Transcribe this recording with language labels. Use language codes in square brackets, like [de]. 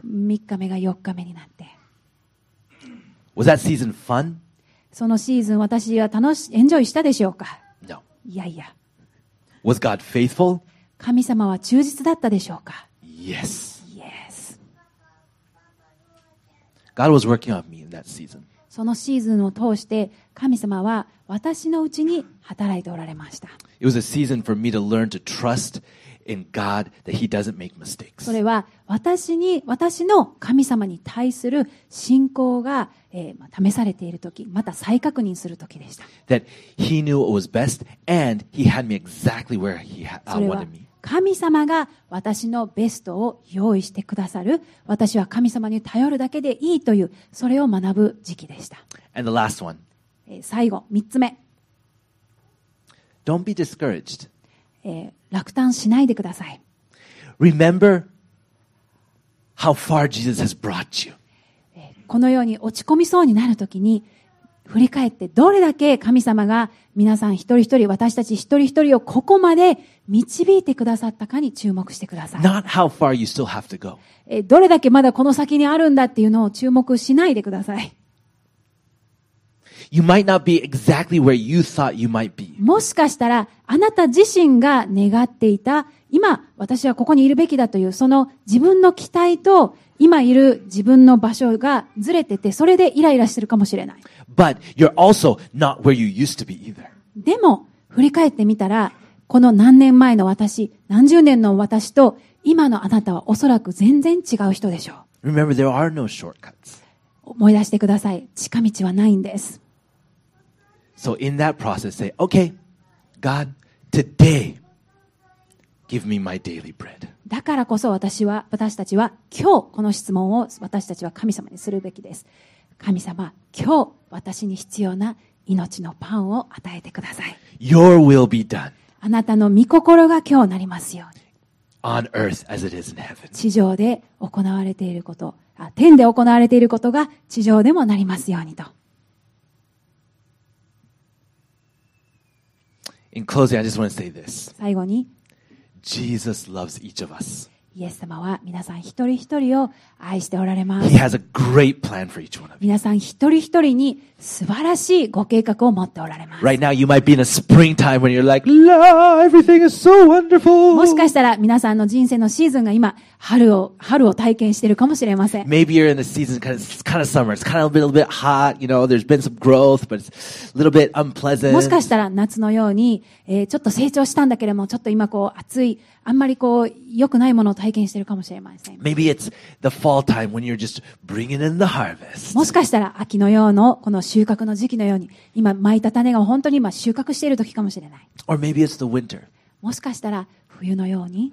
[ja] 3日目が4日目になって。 [en] Was that season fun? [ja] そのシーズン私は楽しエンジョイしたでしょうか [en] No. [ja] いやいや。 [en] Was God faithful? [ja] 神様は忠実だったでしょうか [en] Yes. Yes. God was working on me in that season. [ja] そのシーズンを通して神様は私のうちに働いておられました。 [en] It was a season for me to learn to trust in God that He doesn't make mistakes. [ja] それは私の神様に対する信仰が、試されているとき、また再確認するときでした。 [en] That He knew what was best and He had me exactly where He wanted me. [ja] 神様が私のベストを用意してくださる、私は神様に頼るだけでいいという、それを学ぶ時期でした。 [en] And the last one. [ja] 最後、三つ目。 [en] Don't be discouraged. [ja] 落胆しないでください。 [en] Remember how far Jesus has brought you. [ja] このように落ち込みそうになるときに、振り返ってどれだけ神様が皆さん一人一人私たち一人一人をここまで導いてくださったかに注目してください。 [en] Not how far you still have to go. [ja] どれだけまだこの先にあるんだっていうのを注目しないでください。 [en] you might not be exactly where you thought you might be. [ja] もしかしたらあなた自身が願っていた今私はここにいるべきだというその自分の期待と今いる自分の場所がずれててそれでイライラしてるかもしれない。 [en] But you're also not where you used to be either. [ja] でも振り返ってみたらこの何年前の私、何十年の私と今のあなたはおそらく全然違う人でしょう。 [en] Remember, there are no shortcuts. [ja] 思い出してください。近道はないんです。 [en] So in that process, say, okay, God, today, give me my daily bread. [ja] だからこそ私たちは今日この質問を私たちは神様にするべきです。神様、今日私に必要な命のパンを与えてください。 [en] Your will be done. [ja] あなたの御心が今日なりますように。 [en] On earth as it is in heaven. [ja] 地上で行われていること、天で行われていることが地上でもなりますようにと。 [en] In closing, I just want to say this. [ja] 最後に、 [en] Jesus loves each of us. [ja] イエス様は皆さん一人一人を愛しておられます。 [en] He has a great plan for each one of you. [ja] 皆さん一人一人に素晴らしいご計画を持っておられます。 [en] Right now you might be in a springtime when you're like, La, everything is so wonderful. [ja] もしかしたら皆さんの人生のシーズンが今春を体験しているかもしれません。 [en] Maybe you're in the season kind of summer. It's kind of a little bit hot. You know, there's been some growth, but it's a little bit unpleasant. [ja] もしかしたら夏のように、ちょっと成長したんだけれども、ちょっと今こう暑い、あんまりこう良くないものを体験しているかもしれません。 [en] Maybe it's the fall time when you're just bringing in the harvest. [ja] もしかしたら秋のようのこの収穫の時期のように、今まいた種が本当に今収穫している時かもしれない。 [en] Or maybe it's the winter. [ja] もしかしたら冬のように、